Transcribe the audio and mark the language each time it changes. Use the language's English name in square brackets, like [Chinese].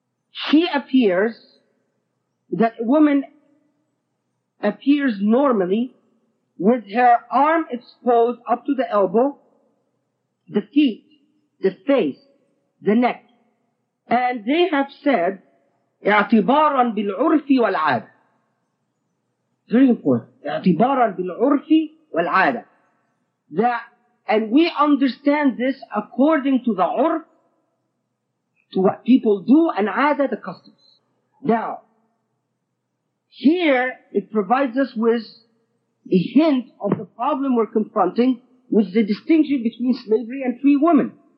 [English] she appears, that woman appears normally with her arm exposed up to the elbow, the feet, the face, the neck. And they have said, [Arabic] اعتباراً بالعرف والعادة. [English] Very important. [Arabic] اعتباراً بالعرف والعادة. [English] That, and we understand this according to the urf, to what people do, and عادة, the customs. Now, here it provides us with a hint of the problem we're confronting with the distinction between slavery and free women.